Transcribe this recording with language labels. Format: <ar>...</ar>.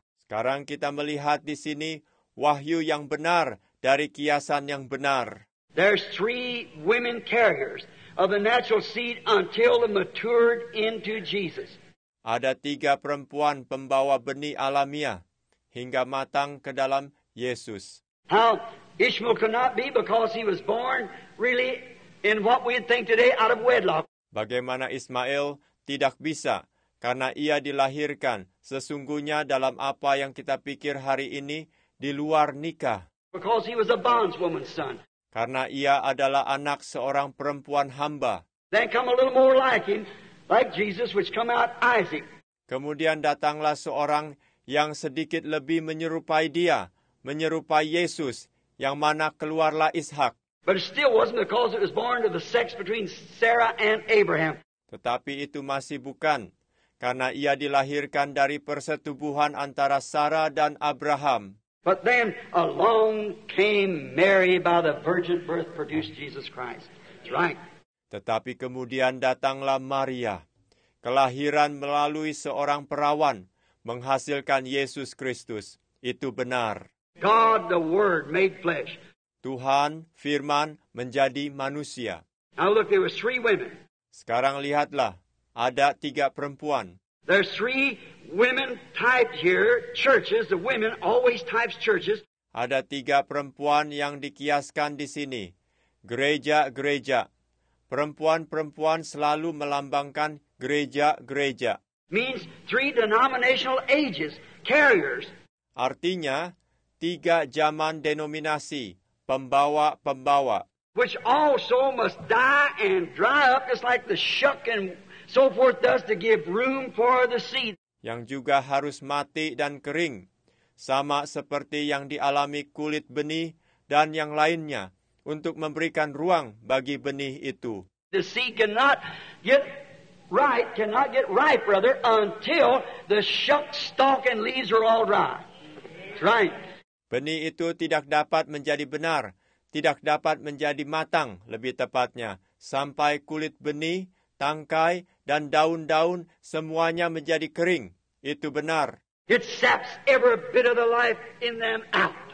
<id>Sekarang kita melihat di sini wahyu yang benar dari kiasan yang benar.</id> <en>There's three women carriers of the natural seed until the matured into Jesus.</en> <id>Ada tiga perempuan pembawa benih alamiah hingga matang ke dalam Yesus.</id> <en>How Ishmael could not be because he was born really in what we think today out of wedlock.</en> <id>Bagaimana Ismail tidak bisa karena ia dilahirkan sesungguhnya dalam apa yang kita pikir hari ini di luar nikah.</id> <en>Because he was a bondswoman's son.</en> <id>Karena ia adalah anak seorang perempuan hamba.</id> <en>Then come a little more like him, like Jesus, which come out Isaac.</en> <id>Kemudian datanglah seorang yang sedikit lebih menyerupai dia, menyerupai Yesus, yang mana keluarlah Ishak.</id> <en>But it still wasn't because it was born of the sex between Sarah and Abraham.</en> <id>Tetapi itu masih bukan karena ia dilahirkan dari persetubuhan antara Sarah dan Abraham.</id> <en>But then along came Mary by the virgin birth produced Jesus Christ. Right.</en> <id>Tetapi kemudian datanglah Maria, kelahiran melalui seorang perawan menghasilkan Yesus Kristus. Itu benar.</id> <en>God the Word made flesh.</en> <id>Tuhan Firman menjadi manusia.</id> <en>Now look, there were three women.</en> <id>Sekarang lihatlah, ada tiga perempuan.</id> <en>There's three women typed here, churches. The women always types churches.</en> <id>Ada tiga perempuan yang dikiaskan di sini, gereja-gereja. Perempuan-perempuan selalu melambangkan gereja-gereja.</id> <en>Means three denominational ages, carriers.</en> <id>Artinya, tiga zaman denominasi, pembawa-pembawa.</id> <en>Which also must die and dry up, just like the shuck and so forth does to give room for the seed.</en> <id>Yang juga harus mati dan kering, sama seperti yang dialami kulit benih dan yang lainnya, untuk memberikan ruang bagi benih itu.</id> <en>The seed cannot get ripe, brother, until the shuck, stalk, and leaves are all dry. That's right.</en> <id>Benih itu tidak dapat menjadi benar, tidak dapat menjadi matang, lebih tepatnya, sampai kulit benih, tangkai, dan daun-daun semuanya menjadi kering. Itu benar.</id> <en>It saps every bit of the life in them out.</en>